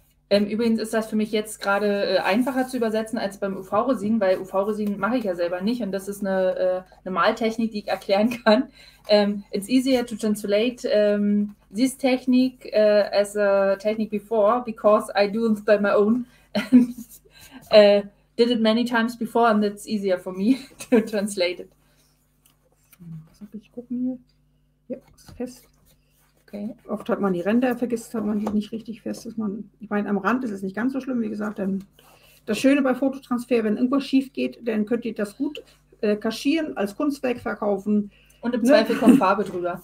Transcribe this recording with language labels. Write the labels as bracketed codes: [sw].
[de] Übrigens ist das für mich jetzt gerade einfacher zu übersetzen als beim UV-Resin, weil UV-Resin mache ich ja selber nicht und das ist eine Maltechnik, die ich erklären kann. [en] It's easier to translate this technique as a technique before, because I do it by my own and did it many times before and it's easier for me to translate it. [de] Ich gucke mir. Ja, ist fest. Okay. Oft hat man die Ränder vergisst, hat man die nicht richtig fest. Dass man, ich meine, am Rand ist es nicht ganz so schlimm, wie gesagt. Denn das Schöne bei Fototransfer, wenn irgendwas schief geht, dann könnt ihr das gut kaschieren, als Kunstwerk verkaufen. Und im Ne? Zweifel kommt Farbe drüber.